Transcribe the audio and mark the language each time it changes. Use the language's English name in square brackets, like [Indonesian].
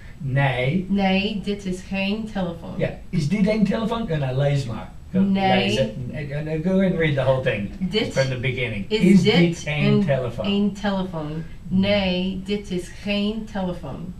[Dutch] Nee, dit is geen telefoon. Is dit een telefoon? Lees maar. [English] Go and read the whole thing from the beginning. [Dutch] Is dit een telefoon? Nee, dit is geen telefoon.